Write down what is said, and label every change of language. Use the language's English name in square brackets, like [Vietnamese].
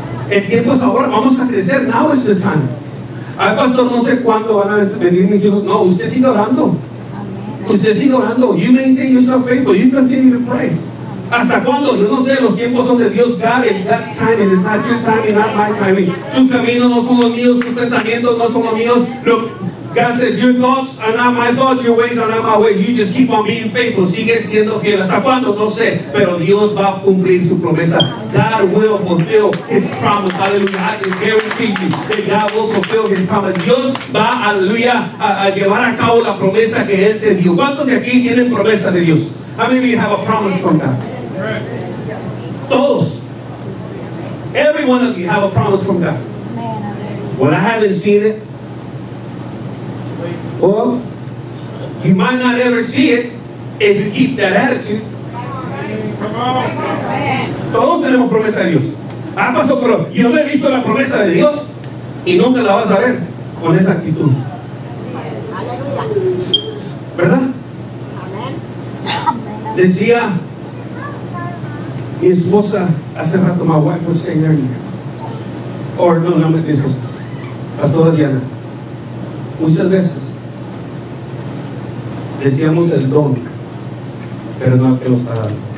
[Spanish] El tiempo es ahora, vamos a crecer. [English] Now is the time. [Spanish] Ay, pastor, no sé cuándo van a venir mis hijos. No, usted sigue orando. Usted sigue orando. [English] You maintain yourself faithful. You continue to pray. [Spanish] ¿Hasta cuándo? Yo no sé, los tiempos son de Dios. [English] God, it's God's timing, it's not your timing, not my timing. [Spanish] Tus caminos no son los míos, tus pensamientos no son los míos. [English] Look, God says, your thoughts are not my thoughts, your ways are not my way. You just keep on being faithful, [Spanish] sigue siendo fiel. ¿Hasta cuándo? No sé, pero Dios va a cumplir su promesa. [English] God will fulfill his promise, aleluya. I guarantee you that God will fulfill his promise. [Spanish] Dios va, aleluya, a llevar a cabo la promesa que él te dio. ¿Cuántos de aquí tienen promesa de Dios? [English] How many of you have a promise from God? Todos. Every one of you have a promise from God. Well, I haven't seen it. Well, you might not ever see it if you keep that attitude. [Spanish] Todos tenemos promesa de Dios. Ah, pastor, pero yo no he visto la promesa de Dios. y nunca la vas a ver con esa actitud. ¿Verdad? Decía mi esposa hace rato, [English] my wife was saying earlier, [Spanish] or no, no, mi esposa, pastora Diana, muchas veces decíamos el don, pero no que lo está dando.